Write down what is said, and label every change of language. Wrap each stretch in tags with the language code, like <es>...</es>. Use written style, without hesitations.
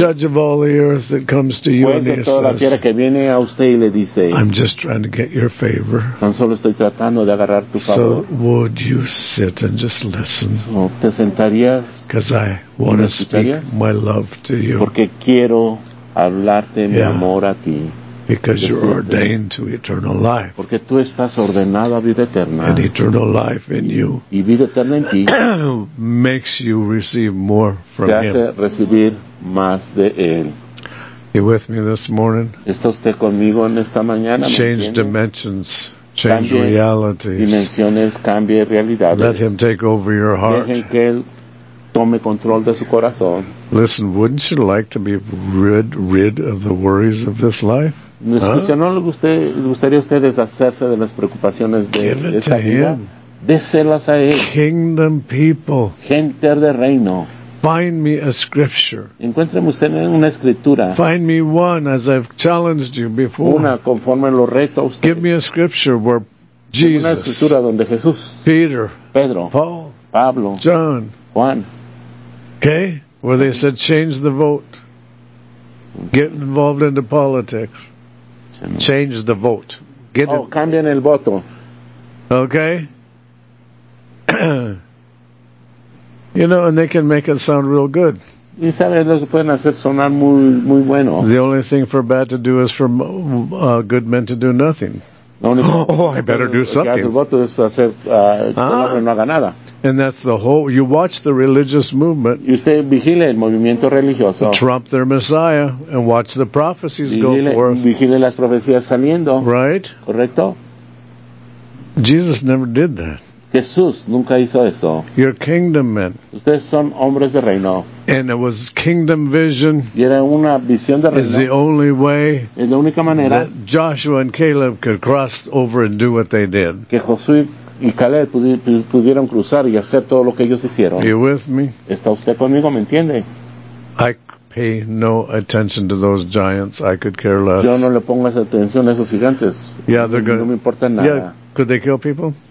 <en>Judge of all the earth that comes to you and</en> <es>toda la tierra que viene a usted y le dice.</es> <en>I'm just trying to get your favor.</en> <es>Tan solo estoy tratando de agarrar tu favor.</es> <en>So would you sit and just listen?</en> <es>So, ¿te sentarías?</es> <en>Because I want to speak my love to you.</en> <es>Porque quiero hablarte mi amor a ti.</es> <en>Because you're ordained to eternal life.</en> <es>Porque tú estás ordenado a vida eterna.</es> <en>And eternal life in you.</en> <es>Y vida eterna en ti.</es> <en>Makes you receive more from</en> <es>te hace</es> <en>him.</en> <es>Recibir más de él.</es> <en>You with me this morning?</en> <es>¿Está usted conmigo en esta mañana?</es> <en>Change dimensions. Change</en> <es>cambie</es> <en>realities.</en> <es>Dimensiones, cambie realidades.</es> <en>Let him take over your heart.</en> <es>Dejen que él tome control de su corazón.</es> <en>Listen, wouldn't you like to be rid of the worries of this life?</en> <es>Escucha, ¿no le gustaría a usted deshacerse de las preocupaciones de esta vida?</es> <en>Give it to him.</en> <es>Déselas a él.</es> <en>Kingdom people.</en> <es>Gente de reino.</es> <en>Find me a scripture.</en> <es>Encuéntreme usted en una escritura.</es> <en>Find me one as I've challenged you before.</en> <es>Una conforme lo reto a usted.</es> <en>Give me a scripture where Jesus.</en> <es>Una escritura donde Jesús.</es> <en>Peter.</en> <es>Pedro.</es> <en>Paul.</en> <es>Pablo.</es> <en>John.</en> <es>Juan.</es> <en>Okay? Where they said change the vote. Get involved into politics. Change the vote. Get</en> <es>oh, cambien el voto.</es> <en>Okay? You know, and they can make it sound real good.</en> <es>Y sabe, ellos pueden hacer sonar muy, muy bueno.</es> <en>The only thing for bad to do is for good men to do nothing. Oh, I better do something.</en> <es>El voto es hacer, no haga nada.</es> <en>And that's the whole, you watch the religious movement.</en> <es>Y usted vigile el movimiento religioso.</es> <en>Trump their Messiah and watch the prophecies</en> <es>vigile,</es> <en>go forth.</en> <es>Vigile las profecías saliendo.</es> <en>Right?</en> <es>Correcto.</es> <en>Jesus never did that.</en> <es>Jesús nunca hizo eso.</es> <en>You're kingdom men.</en> <es>Ustedes son hombres de reino.</es> <en>And it was kingdom vision.</en> <es>Y era una visión de reino.</es> <en>Is the only way.</en> <es>Es la única manera.</es> <en>That Joshua and Caleb could cross over and do what they did.</en> <es>Que Josué y Caleb pudieron cruzar y hacer todo lo que ellos hicieron.</es> <en>Are you with me?</en> <es>¿Está usted conmigo? ¿Me entiende?</es> <en>I pay no attention to those giants. I could care less.</en> <es>Yo no le pongo esa atención a esos gigantes.</es> <en>Yeah, they're good.</en> <es>No me importa nada.</es> <en>Yeah, could they kill people?</en>